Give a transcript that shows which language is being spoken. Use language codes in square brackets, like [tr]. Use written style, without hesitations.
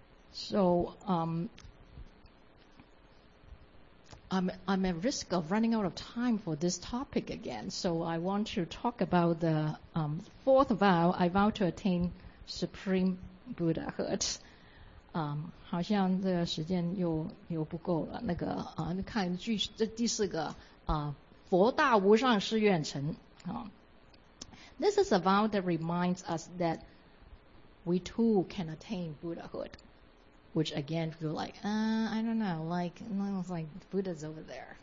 [en] So, I'm at risk of running out of time for this topic again. So I want to talk about the fourth vow. I vow to attain supreme Buddhahood. [zh] 好像这个时间又不够了。那个看这第四个佛大无上誓愿成。 [en] This is a vow that reminds us that we too can attain Buddhahood. Which again, feel like, I don't know, like Buddha's over there.